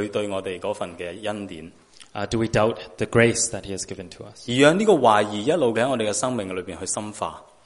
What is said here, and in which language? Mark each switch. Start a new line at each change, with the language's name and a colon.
Chinese: 我们有没有怀疑他对我们那份的恩典?
English: Do we doubt the grace that He has given to us?
Chinese: 而让这个怀疑一路在我们的生命里面去深化。